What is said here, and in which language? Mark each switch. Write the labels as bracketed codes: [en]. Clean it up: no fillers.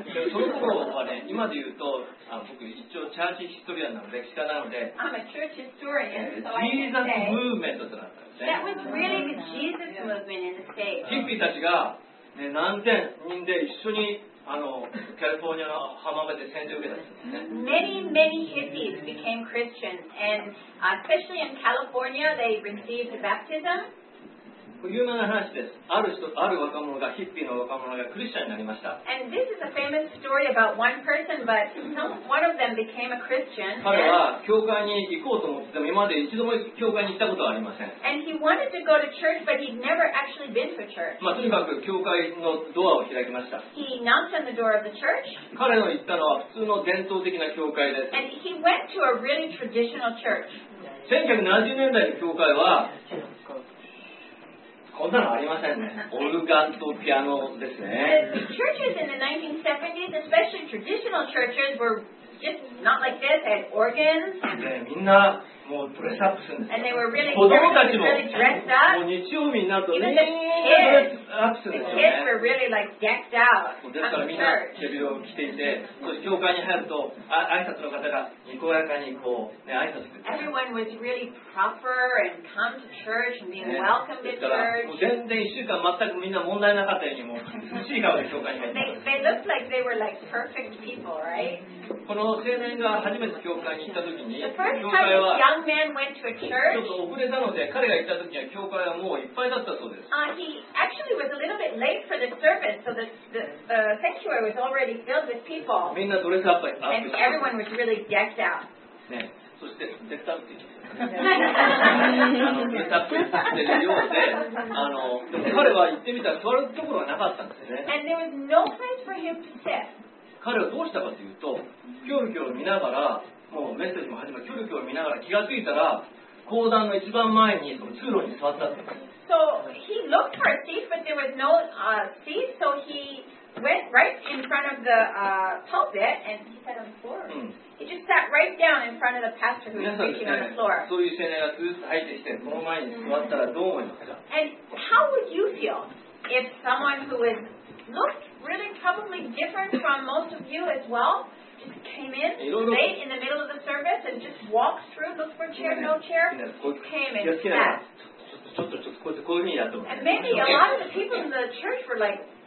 [ja] その頃はね、今で言うと、僕一応チャーチヒストリアンなので、歴史家なので。 [en] I'm a church historian, so I can say. [ja] Jesus movement だったんですね。 [en] That was really the Jesus movement in the States. [ja] ヒッピーたちが。ね、何千人で一緒にあのカリフォルニアの浜辺で洗礼を受けたんですね。 [en] Many, many hippies became Christians, and especially in California, they received baptism. [ja] 有名な話です。ある人、ある若者が、ヒッピーの若者がクリスチャンになりました。 [en] And this is a famous story about one person, but one of them became a Christian. [ja] 彼は教会に行こうと思って、でも今まで一度も教会に行ったことはありません。 [en] And he wanted to go to church, but he'd never actually been to church. [ja] まあ、とにかく教会のドアを開きました。 [en] He knocked on the door of the church. [ja] 彼の行ったのは普通の伝統的な教会です。 [en] And he went to a really traditional church. [ja] 1970年代の教会は、こんなのありませんね。オルガンとピアノですね。 [en] The churches in the 1970s, especially traditional churches, were just not like this. They had organs. [ja] みんなもうドレスアップするんです。 [en] And they were really, [ja] 子供たちも、 [en] really dressed up. [ja] もう日曜日になるとみんなドレスアップするんですよね。 [en] The kids were really like decked out. [ja] ですからみんな手びろを着ていて、そして教会に入ると挨拶の方がにこやかにこう、ね、挨拶する。 [en] Everyone was really proper and come to church and being welcomed to church. [ja] 全然一週間全くみんな問題なかったようにもう美しい顔で教会に入って。 [en] They looked like they were like perfect people, right? [ja] この青年が初めて教会に行った時に、教会はちょっと遅れたので、彼が行った時には教会はもういっぱいだったそうです。 [en] He actually was a little bit late for the service, so the sanctuary was already filled with people. [ja] みんなドレスアップして、 [en] and everyone was really decked out. [ja] ね、そしてデッタって言ってた。あのデッタって言ってるようで、あの彼は行ってみたら座るところはなかったんですよね。 [en] And there was no place for him to sit. [ja] 彼はどうしたかというと、キョロキョロ見ながら、もうメッセージも始まる、キョロキョロ見ながら気がついたら、講壇の一番前にその通路に座ったって。 [en] So he looked for a seat, but there was no seat, so he went right in front of the pulpit and he sat on the floor.、 [ja] うん、 [en] he just sat right down in front of the pastor who was preaching、 [ja] ね、 [en] on the floor. [ja] そういう青年がずっと入ってきて、その前に座ったらどう思いますか、mm-hmm. [en] And how would you feel if someone who is looked really probably different from most of you as well just came in late in the middle of the service and just walked through looked for chair no chair just came and sat and maybe a lot of the people in the church were like